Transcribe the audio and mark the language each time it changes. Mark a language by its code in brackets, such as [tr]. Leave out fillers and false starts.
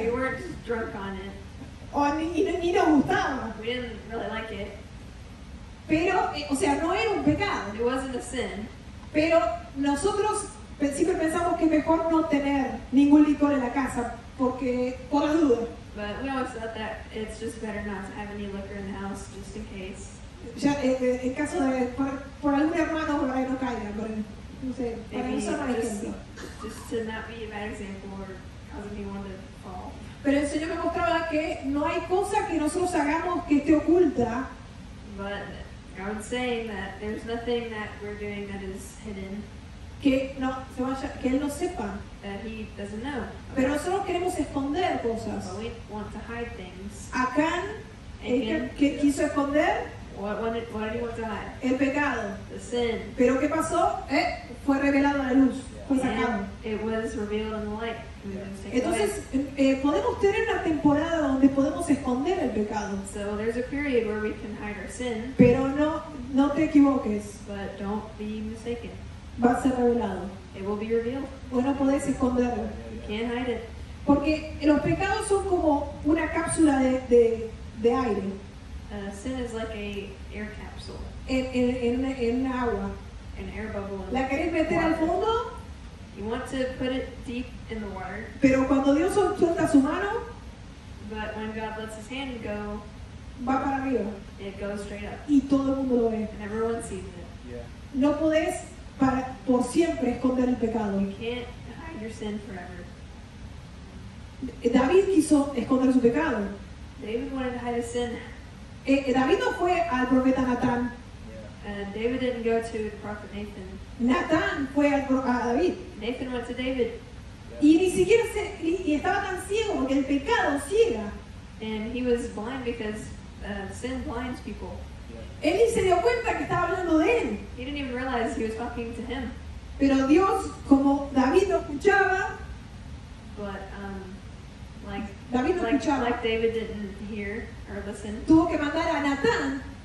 [en] We weren't drunk on it. [es] Ni nos gustaba. [en] We didn't really like it. [es] Pero, o sea, no era un pecado. [en] It wasn't a sin. [es] Pero nosotros siempre pensamos que es mejor no tener ningún licor en la casa, porque, por la duda. [en] But we always thought that it's just better not to have any liquor in the house, just in case. [es] ya en caso de por algún hermano por ahí no caiga, por el, no sé, para no ser mal ejemplo. [en] Just to not be a bad example or cause anyone to fall. [es] Pero el Señor me mostraba que no hay cosa que nosotros hagamos que esté oculta. [en] But God saying that there's nothing that we're doing that is hidden. [es] Que no se vaya, que él no sepa. [en] That he doesn't know. [es] Pero nosotros queremos esconder cosas. [en] But we want to hide things. [es] Acán, ¿qué quiso esconder? [en] What did he want to hide? [es] El pecado. [en] The sin. [es] Pero ¿qué pasó? Fue revelado a la luz. Fue sacado. [en] It was revealed in the light. [es] Entonces, podemos tener una temporada donde podemos esconder el pecado. [en] So there's a period where we can hide our sin. [es] Pero no te equivoques. [en] But don't be mistaken. [es] Va a ser revelado. [en] It will be revealed. [es] O no podés esconderlo. [en] You can't hide it. [es] Porque los pecados son como una cápsula de aire. [en] Sin is like an air capsule. [es] En un agua. [en] An air bubble. [es] ¿La querés meter al fondo? [en] You want to put it deep in the water. [es] Pero cuando Dios suelta su mano, [en] but when God lets his hand go, [es] va para arriba. [en] It goes straight up. [es] Y todo el mundo lo ve. [en] And everyone sees it. Yeah. [es] No podés para, por siempre esconder el pecado. [en] You can't hide your sin forever. [es] David quiso esconder su pecado. [en] David wanted to hide his sin. [es] David no fue al profeta Natán. [en] David didn't go to the prophet Nathan. [es] Natán fue a David. [en] Nathan went to David. [es] Yeah. Y ni siquiera se, y estaba tan ciego porque el pecado ciega. [en] And he was blind because sin blinds people. Yeah. [es] Él ni se dio cuenta que estaba hablando de él. [en] He didn't even realize he was talking to him. [es] Pero Dios, como David no escuchaba, [en] but like [es] David no [en] like, [es] escuchaba, [en] like David didn't hear or listen. [es] Tuvo que mandar a Natán.